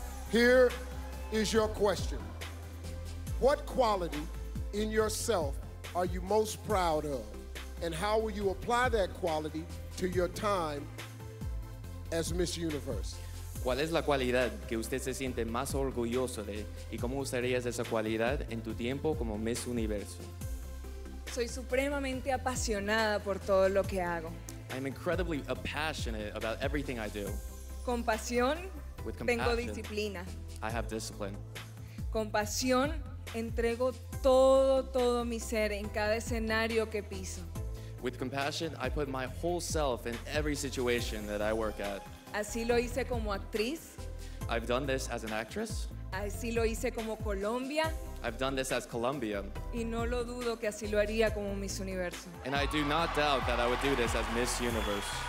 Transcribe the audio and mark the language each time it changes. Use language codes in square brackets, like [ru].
[en] Here is your question. What quality in yourself are you most proud of? And how will you apply that quality to your time as Miss Universe? [es] ¿Cuál es la cualidad que usted se siente más orgulloso de y cómo usarías esa cualidad en tu tiempo como Miss Universo? Soy supremamente apasionada por todo lo que hago. [en] I'm incredibly passionate about everything I do. [es] Con pasión, [en] with compassion, [es] tengo disciplina. [en] I have discipline. [es] Con pasión, entrego todo mi ser en cada escenario que piso. [en] With compassion, I put my whole self in every situation that I work at. [es] Así lo hice como actriz. [en] I've done this as an actress. [es] Así lo hice como Colombia. [en] I've done this as Colombia. [es] Y no lo dudo que así lo haría como Miss Universo. [en] And I do not doubt that I would do this as Miss Universe.